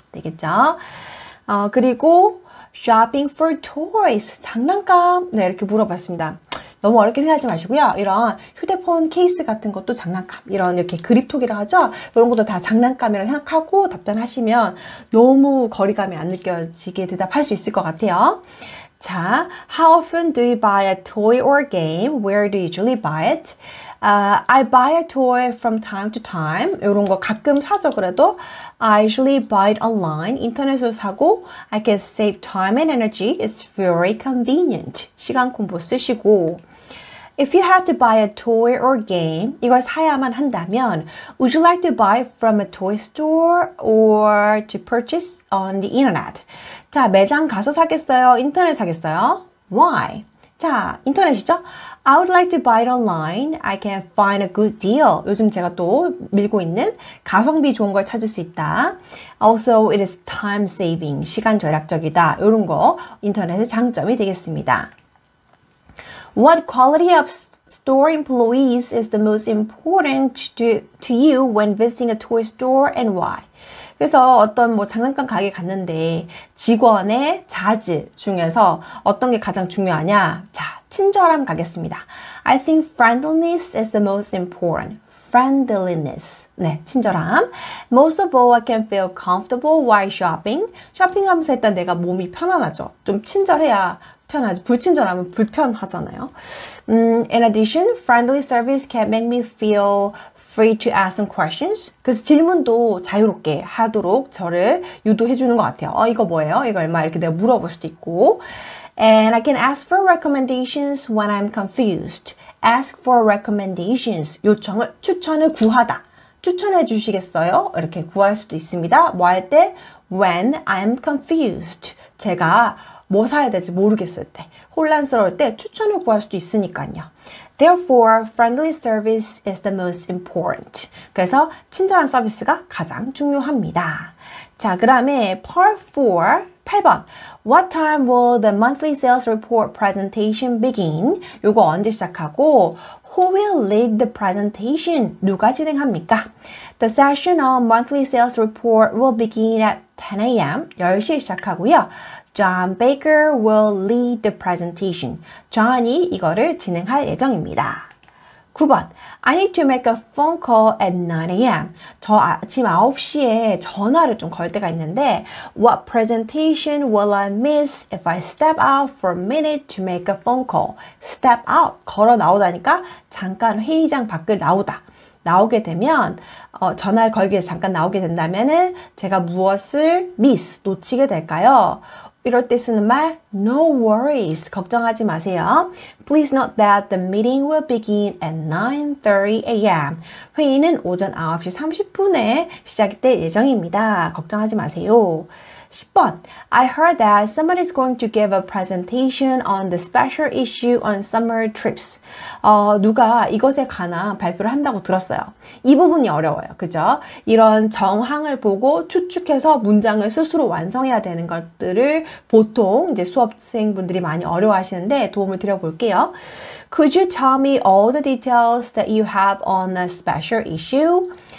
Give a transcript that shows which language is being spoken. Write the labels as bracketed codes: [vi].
[ko] 되겠죠? 그리고 [en] shopping for toys, [ko] 장난감. 네, 이렇게 물어봤습니다. 너무 어렵게 생각하지 마시고요. 이런 휴대폰 케이스 같은 것도 장난감. 이런 이렇게 그립톡이라고 하죠? 이런 것도 다 장난감이라고 생각하고 답변하시면 너무 거리감이 안 느껴지게 대답할 수 있을 것 같아요. [en] 자, how often do you buy a toy or a game? Where do you usually buy it? I buy a toy from time to time. [ko] 이런 거 가끔 사죠, 그래도. [en] I usually buy it online. [ko] 인터넷으로 사고. [en] I can save time and energy. It's very convenient. [ko] 시간 공부 쓰시고. [en] If you had to buy a toy or game, [ko] 이걸 사야만 한다면, [en] would you like to buy from a toy store or to purchase on the internet? [ko] 자, 매장 가서 사겠어요? 인터넷 사겠어요? Why? 자, 인터넷이죠? [en] I would like to buy it online. I can find a good deal. [ko] 요즘 제가 또 밀고 있는 가성비 좋은 걸 찾을 수 있다. [en] Also, it is time saving. [ko] 시간 절약적이다. 이런 거 인터넷의 장점이 되겠습니다. [en] What quality of store employees is the most important to you when visiting a toy store and why? [ko] 그래서 어떤 뭐 장난감 가게 갔는데 직원의 자질 중에서 어떤 게 가장 중요하냐? 자, 친절함 가겠습니다. [en] I think friendliness is the most important. Friendliness. [ko] 네, 친절함. [en] Most of all, I can feel comfortable while shopping. [ko] 쇼핑하면서 일단 내가 몸이 편안하죠. 좀 친절해야 편하지. 불친절하면 불편하잖아요. [en] In addition, friendly service can make me feel free to ask some questions. [ko] 그래서 질문도 자유롭게 하도록 저를 유도해주는 것 같아요. 이거 뭐예요? 이거 얼마? 이렇게 내가 물어볼 수도 있고. [en] And I can ask for recommendations when I'm confused. Ask for recommendations. [ko] 요청을, 추천을 구하다. 추천해 주시겠어요? 이렇게 구할 수도 있습니다. 뭐 할 때? [en] When I'm confused. [ko] 제가 뭐 사야 될지 모르겠을 때, 혼란스러울 때 추천을 구할 수도 있으니까요. [en] Therefore, friendly service is the most important. [ko] 그래서 친절한 서비스가 가장 중요합니다. 자, 그 다음에 part 4, 8번. [en] What time will the monthly sales report presentation begin? [ko] 이거 언제 시작하고 [en] Who will lead the presentation? [ko] 누가 진행합니까? [en] The session on monthly sales report will begin at 10 a.m. [ko] 10시에 시작하고요. [en] John Baker will lead the presentation. [ko] John이 이거를 진행할 예정입니다. 9번. [en] I need to make a phone call at 9 a.m. [ko] 저 아침 9시에 전화를 좀 걸 때가 있는데 [en] What presentation will I miss if I step out for a minute to make a phone call? [ko] Step out, 걸어 나오다니까 잠깐 회의장 밖을 나오다. 나오게 되면 전화를 걸기 위해서 잠깐 나오게 된다면은 제가 무엇을 miss, 놓치게 될까요? 이럴 때 쓰는 말, [en] no worries, [ko] 걱정하지 마세요. [en] Please note that the meeting will begin at 9:30 a.m. [ko] 회의는 오전 9시 30분에 시작이 될 예정입니다. 걱정하지 마세요. [en] 10번, I heard that somebody is going to give a presentation on the special issue on summer trips. [ko] 누가 이것에 관한 발표를 한다고 들었어요. 이 부분이 어려워요. 그죠? 이런 정황을 보고 추측해서 문장을 스스로 완성해야 되는 것들을 보통 이제 수업생분들이 많이 어려워하시는데 도움을 드려볼게요. [en] Could you tell me all the details that you have on the special issue?